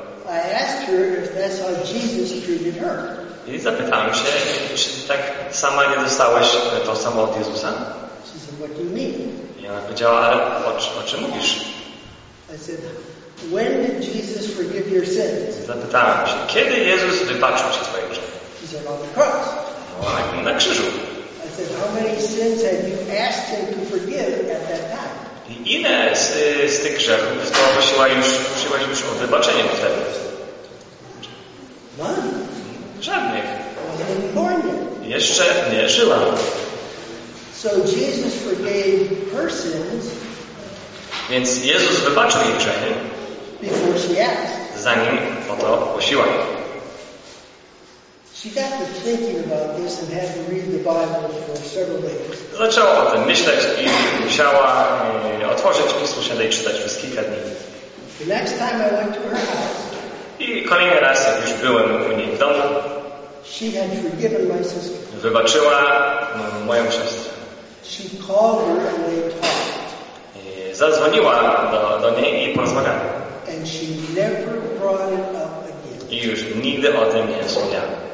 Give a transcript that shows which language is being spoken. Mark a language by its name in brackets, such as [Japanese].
[English] I asked her if that's how Jesus treated her. [Polish] I zapytałem się, czy tak sama nie dostałeś to samo od Jezusa? [English] She said, what do you mean? [Polish] I ona powiedziała, ale o czym mówisz? [English] I said, when did Jesus forgive your sins? [Polish] Zapytałem się, kiedy Jezus wybaczył ci twoje grzechy? [English] She said, on the cross. [Polish] Na krzyżu. [English] I said, how many sins have you asked him to forgive at that time? [Polish] I ile z tych grzechów to prosiłaś już o wybaczenie wtedy? [English] None. [Polish] Żadnych. [English] Wasn't born yet. [Polish] Jeszcze nie żyła. [English] So Jesus forgave her sins. [Polish] Więc Jezus wybaczył jej grzechy. [English] Before she asked. [Polish] Zanim o to prosiła. [English] She got to thinking about this and had to read the Bible for several days. [Polish] Zaczęła o tym myśleć i musiała otworzyć Pismo Święte i czytać przez kilka dni. [English] The next time I went to her house. [Polish] I kolejny raz, jak już byłem u niej w domu, [English] she had forgiven my sister. [Polish] Wybaczyła moją siostrę. [English] She called her and they talked. [Polish] I zadzwoniła do niej i porozmawiała. [English] And she never brought it up again. [Polish] I już nigdy o tym nie wspomniała.